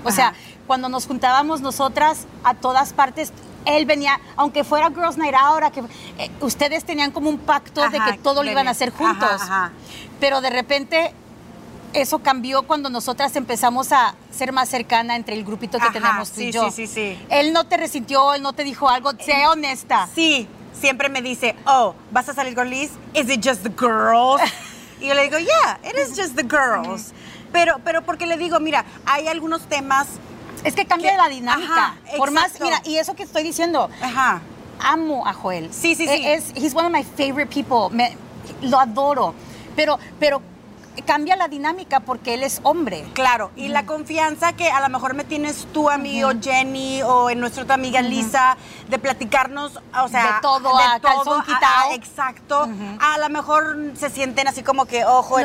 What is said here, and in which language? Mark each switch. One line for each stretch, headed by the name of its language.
Spanish: O sea, cuando nos juntábamos nosotras a todas partes, él venía, aunque fuera Girls Night ahora, que ustedes tenían como un pacto de que todo lo iban a hacer juntos. Pero de repente... Eso cambió cuando nosotras empezamos a ser más cercana entre el grupito que tenemos tú y yo. Sí. Él no te resintió, él no te dijo algo, sé honesta. Sí, siempre me dice, oh, ¿vas a salir con Liz?
English: ¿Is it just the girls?
Spanish: Y yo le digo,
English: yeah, it is just the girls.
Spanish: Pero porque le digo, mira, hay algunos temas... Es que cambia la dinámica. Por más, mira, y eso que estoy diciendo, amo a Joel. Sí.
English: He's one of my favorite people.
Spanish: Lo adoro. Pero cambia la dinámica porque él es hombre. Claro, y la confianza que a lo mejor me tienes tú a mí o Jenny o en nuestra otra amiga Lisa, de platicarnos, o sea... De todo, calzón quitado. Exacto. A lo mejor se sienten así como que, oh, Joel.